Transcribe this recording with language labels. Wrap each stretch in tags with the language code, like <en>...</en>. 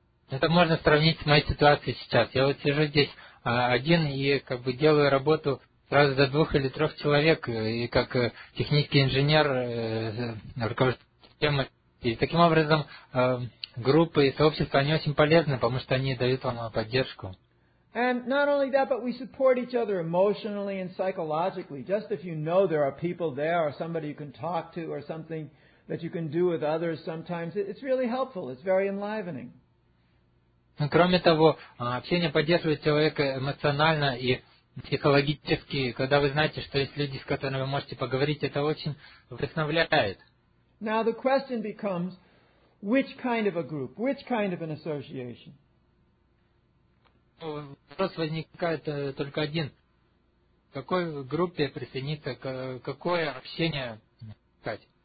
<ru>Это можно сравнить с моей ситуацией сейчас. Я вот сижу здесь один и как бы делаю работу сразу за двух или трех человек, и как технический инженер руковожу системой. И таким образом группы и сообщества, они очень полезны, потому что они дают вам поддержку.</ru> <en>And not only that, but we support each other emotionally and psychologically. Just if you know there are people there or somebody you can talk to or something that you can do with others sometimes, it's really helpful. It's very enlivening.</en> <ru>Кроме того, общение поддерживает человека эмоционально и психологически, когда вы знаете, что есть люди, с которыми вы можете поговорить, это очень вдохновляет.</ru> <en>Now the question becomes, which kind of a group, which kind of an association?</en> <ru>Вопрос возникает только один. К какой группе присоединиться, какое общение искать?</ru>